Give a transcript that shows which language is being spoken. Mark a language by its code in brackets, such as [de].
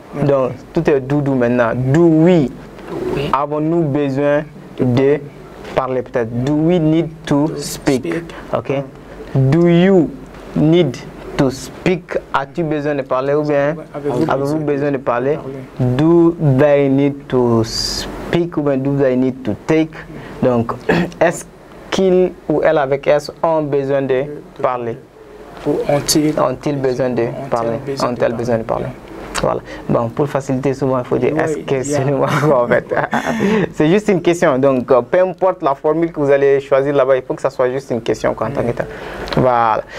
[fr] Donc, tout est doudou maintenant. [en] Do we? [fr] Avons-nous besoin de parler peut-être? [en] Do we need to speak? Ok. Do you need to speak? [fr] As-tu besoin de parler ou bien avez-vous besoin de parler? [en] Do they need to speak [fr] ou bien [en] do they need to take? [fr] Donc, est-ce qu'il ou elle avec S ont besoin de parler? Ont-ils besoin de parler? Ont-elles besoin de parler? Voilà. Bon, pour faciliter, souvent, il faut dire est-ce que c'est le mot en fait. C'est juste une question. Donc, peu importe la formule que vous allez choisir là-bas, il faut que ça soit juste une question. Quoi, en tant que tel. Voilà.